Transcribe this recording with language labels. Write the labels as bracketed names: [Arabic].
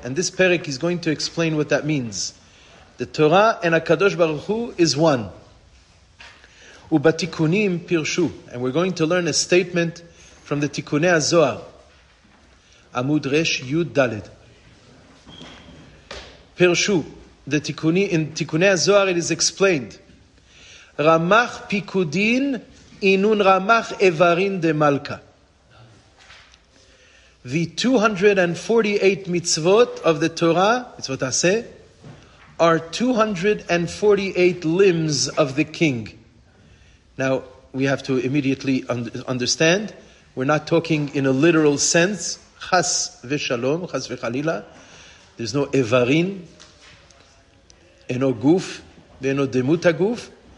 [English] And this Perek is going to explain what that means. The Torah and HaKadosh Baruch Hu is one. [Hebrew] ובתיקונים פירשו. [English] And we're going to learn a statement from the תיקוני הזוהר. [Hebrew] עמוד רש י' ד' פירשו. [English] In תיקוני הזוהר it is explained. [Aramaic] רמח פיקודין אינון רמח איברין דמלכה. [English] The 248 מצוות of the Torah, מצוות עשה, are 248 limbs of the king. Now, we have to immediately understand, we're not talking in a literal sense, chas v'shalom, chas v'chalila, there's no evarin, [Hebrew] eno guf, eno demut haguf.